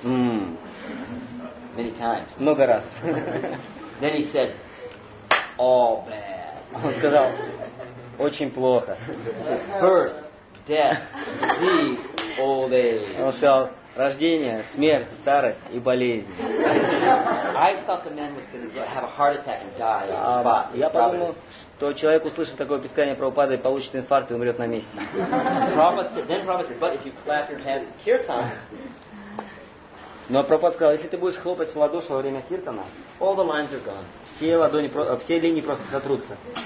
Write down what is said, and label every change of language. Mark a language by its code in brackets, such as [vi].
[en] Many times. [ru] Много раз. [en] Then he said, all bad. [ru] Он сказал, очень плохо. [en] He said, birth, death, disease, old age. [ru] Он сказал, рождение, смерть, старость и болезнь. [en] I thought the man was going to have a heart attack and die on the spot. [ru] Я подумал, что человек, услышав такое описание Прабхупады, получит инфаркт и умрет на месте. [en] Then Prabhupada said, but if you clap your hands at kirtan. [ru] Но Прабхупада сказал, если ты будешь хлопать в ладоши во время киртана, [en] all the lines are gone. [ru] Все линии просто сотрутся.